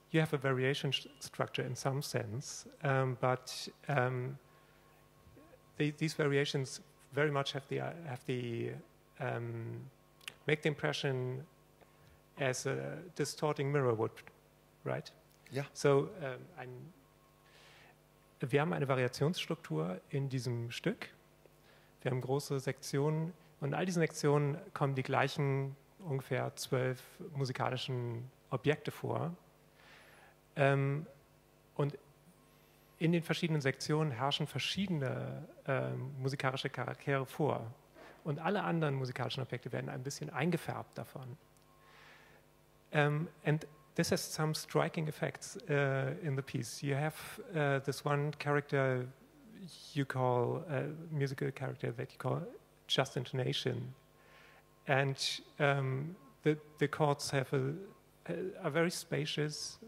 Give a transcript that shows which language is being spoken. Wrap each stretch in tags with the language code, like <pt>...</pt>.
<en>You have a variation structure in some sense, but these variations very much have the make the impression as a distorting mirror would, right? Yeah.</en> <de>So, wir haben eine Variationsstruktur in diesem Stück. Wir haben große Sektionen und in all diesen Sektionen kommen die gleichen ungefähr 12 musikalischen Objekte vor. Und in den verschiedenen Sektionen herrschen verschiedene musikalische Charaktere vor. Und alle anderen musikalischen Objekte werden ein bisschen eingefärbt davon.</de> <en>And this has some striking effects in the piece. You have this one character you call, a musical character that you call Just Intonation. And the chords have are very spacious.</en>